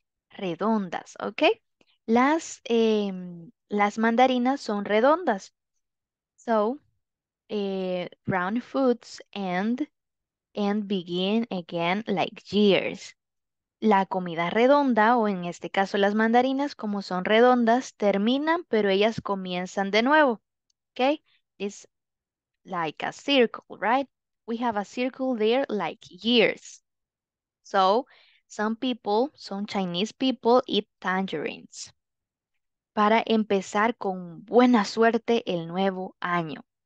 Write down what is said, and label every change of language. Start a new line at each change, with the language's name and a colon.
Spanish: Redondas, ¿ok? Las mandarinas son redondas.
English: So, round foods and begin again like years.
Spanish: La comida redonda, o en este caso las mandarinas, como son redondas, terminan, pero ellas comienzan de nuevo.
English: Okay? It's like a circle, right? We have a circle there like years. So, some people, some Chinese people, eat tangerines.
Spanish: Para empezar con buena suerte el nuevo año.